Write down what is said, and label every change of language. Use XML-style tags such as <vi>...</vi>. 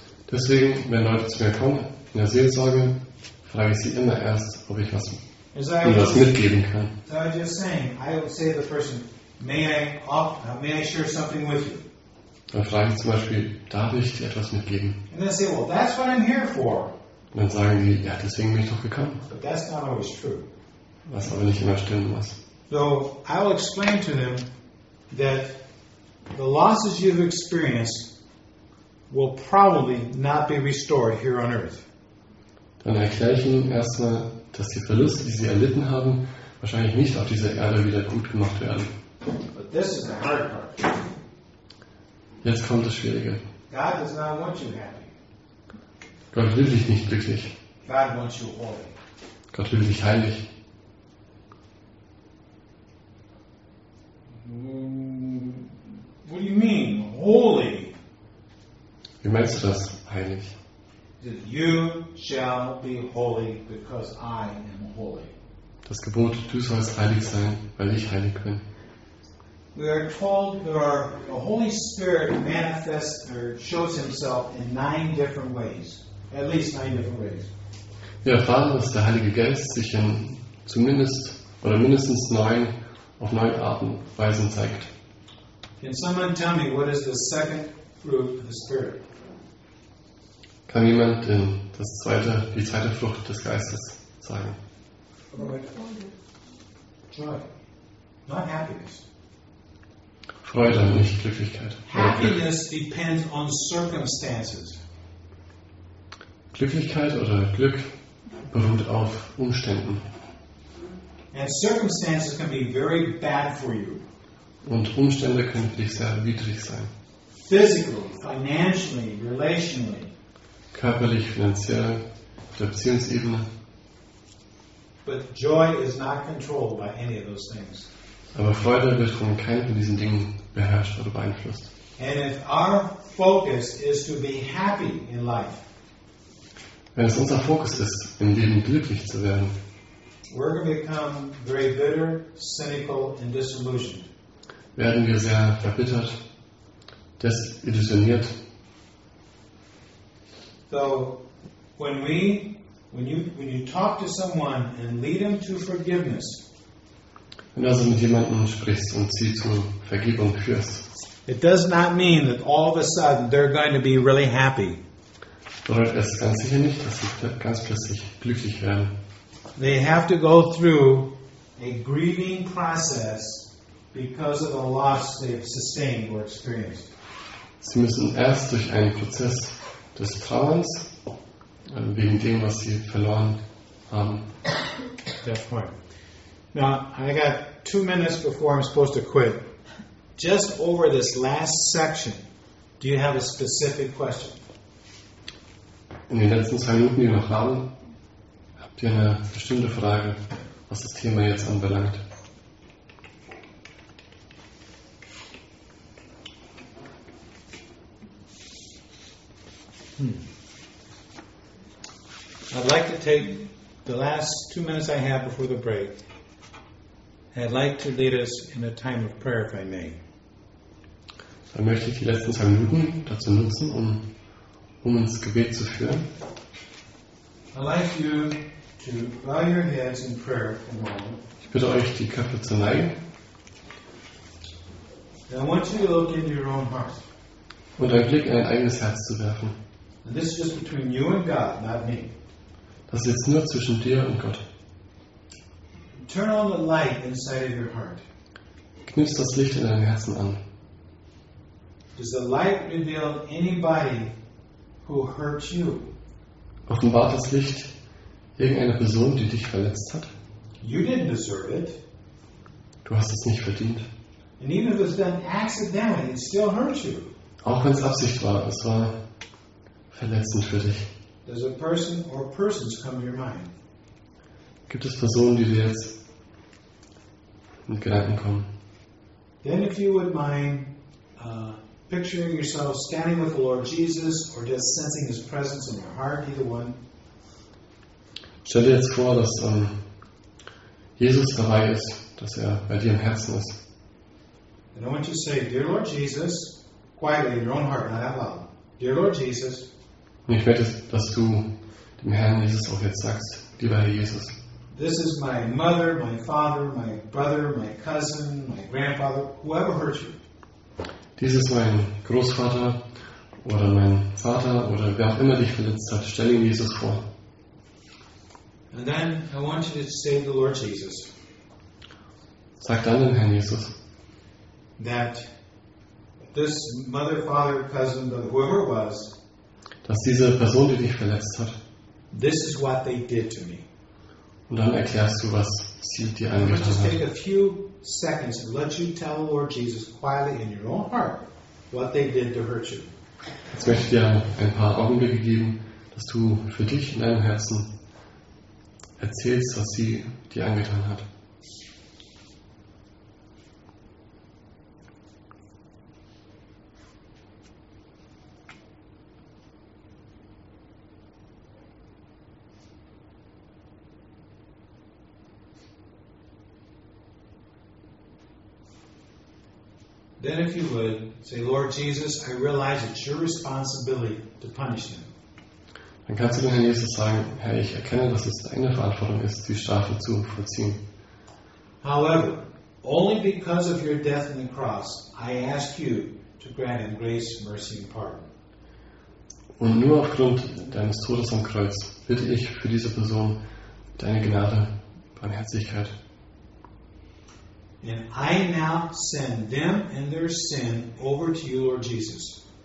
<de>Deswegen, wenn Leute zu mir kommen in der Seelsorge, frage ich sie immer erst, ob ich was, was mitgeben kann.</de> <en>So I'm just saying, I would say to the person, may I share something with you?</en> <de>Dann frage ich zum Beispiel, darf ich dir etwas mitgeben?</de> <en>And they say, well, that's what I'm here for.</en> <de>Dann sagen die, ja, deswegen bin ich doch gekommen.</de> <en>But that's not always true.</en> <de>Was aber nicht immer stimmen muss.</de> <en>So I'll explain to them that the losses you've experienced will probably not be restored here on earth.</en> <de>Dann erkläre ich ihnen erstmal, dass die Verluste, die sie erlitten haben, wahrscheinlich nicht auf dieser Erde wieder gut gemacht werden.</de> <en>But this is the hard part.</en> <de>Jetzt kommt das Schwierige.</de> <en>God does not want you happy.</en> <de>Gott will dich nicht glücklich.</de> <en>God wants you holy.</en> <de>Gott will dich heilig.</de> <en>What do you mean, holy?</en> <de>Wie meinst du das, heilig?</de> <en>You shall be holy because I am holy.</en> <de>Das Gebot, du sollst heilig sein, weil ich heilig bin.</de> <en>We are told that the Holy Spirit manifests or shows himself in 9 different ways. At least 9 different ways.</en> <de>Wir erfahren, dass der Heilige Geist sich in zumindest oder mindestens 9 auf 9 Arten Weisen zeigt.</de> <en>Can someone tell me what is the second fruit of the Spirit?</en> <de>Kann jemand das zweite, die zweite Frucht des Geistes zeigen?</de> <en>Joy. Not happiness.</en> <de>Freude, nicht Glücklichkeit.</de> <en>Happiness depends on circumstances.</en> <de>Glücklichkeit oder Glück beruht auf Umständen.</de> <en>And circumstances can be very bad for you.</en> <de>Und Umstände können für dich sehr widrig sein.</de> <en>Physically, financially, relationally.</en> <de>Körperlich, finanziell, auf der Beziehungsebene.</de> <en>But joy is not controlled by any of those things.</en> <de>Aber Freude wird von keinem von diesen Dingen beherrscht oder beeinflusst.</de> <en>And if our focus is to be happy in life,</en> <de>wenn es unser Fokus ist, im Leben glücklich zu werden,</de> <en>we're going to become very bitter, cynical and disillusioned.</en> <de>Werden wir sehr verbittert, desillusioniert.</de> <en>So, when you talk to someone and lead them to forgiveness,</en> <de>wenn du also mit jemandem sprichst und sie zu Vergebung führst,</de> <en>it does not mean that all of a sudden they're going to be really happy.</en> <de>Bedeutet es ganz sicher nicht, dass sie ganz plötzlich glücklich werden.</de> <en>They have to go through a grieving process because of the loss they've sustained or experienced.</en> <de>Sie müssen erst durch einen Prozess des Trauerns, wegen dem, was sie verloren haben.</de> <en>That point. Now, I got 2 minutes before I'm supposed to quit. Just over this last section, do you have a specific question?</en> <de>In den letzten 2 Minuten, die wir noch haben, habt ihr eine bestimmte Frage, was das Thema jetzt anbelangt.</de> <en>I'd like to take the last 2 minutes I have before the break I'd like to lead us in a time of prayer, if I may. So, I'd like to use the last 2 minutes to use us to lead us in a time of prayer. I'd like you to bow your heads in prayer for a moment.</en> <de>Ich bitte euch, die Köpfe zu neigen.</de> <en>And I want you to look into your own heart.</en> <de>Und einen Blick in dein eigenes Herz zu werfen.</de> <en>And this is just between you and God, not me.</en> <de>Das ist jetzt nur zwischen dir und Gott.</de> <en>Turn on the light inside of your heart.</en> <de>Knips das Licht in deinem Herzen an.</de> <en>Does the light reveal anybody who hurts you?</en> <de>Offenbart das Licht irgendeine Person, die dich verletzt hat?</de> <en>You didn't deserve it.</en> <de>Du hast es nicht verdient.</de> <en>And even if it's done accidentally, it still hurts you.</en> <de>Auch wenn es Absicht war, es war verletzend für dich.</de> <en>Does a person or persons come to your mind?</en> <de>Gibt es Personen, die dir jetzt mit Gedanken kommen?</de> <en>Then if you would mind picturing yourself standing with the Lord Jesus or just sensing his presence in your heart, either one.</en> <de>Stell dir jetzt vor, dass Jesus dabei ist, dass er bei dir im Herzen ist.</de> <en>And I want you to say, dear Lord Jesus, quietly in your own heart, not out loud. Dear Lord Jesus.</en> <de>Und ich bete, dass du dem Herrn Jesus auch jetzt sagst, lieber Herr Jesus.</de> <en>This is my mother, my father, my brother, my cousin, my grandfather, whoever hurt you.</en> <de>Dies ist mein Großvater oder mein Vater oder wer auch immer dich verletzt hat. Stell ihn Jesus vor.</de> <en>And then I want you to say the Lord Jesus.</en> <de>Sag dann dem Herrn Jesus.</de> <en>That this mother, father, cousin, but whoever it was,</en> <de>dass diese Person, die dich verletzt hat,</de> <en>this is what they did to me.</en> <de>Und dann erklärst du, was sie dir angetan hat.</de> <en>Take a few seconds and let you tell the Lord Jesus quietly in your own heart what they did to hurt you.</en> <de>Jetzt möchte ich dir ein paar Augenblicke geben, dass du für dich in deinem Herzen erzählst, was sie dir angetan hat.</de> <en>Then if you would, say, Lord Jesus, I realize it's your responsibility to punish them.</en> <de>Dann kannst du dem Herrn Jesus sagen, Herr, ich erkenne, dass es deine Verantwortung ist, die Strafe zu vollziehen.</de> <en>However, only because of your death on the cross, I ask you to grant him grace, mercy and pardon.</en> <de>Und nur aufgrund deines Todes am Kreuz bitte ich für diese Person deine Gnade, Barmherzigkeit.</de> <en>And I now send them and their sin over to you, Lord Jesus.</en>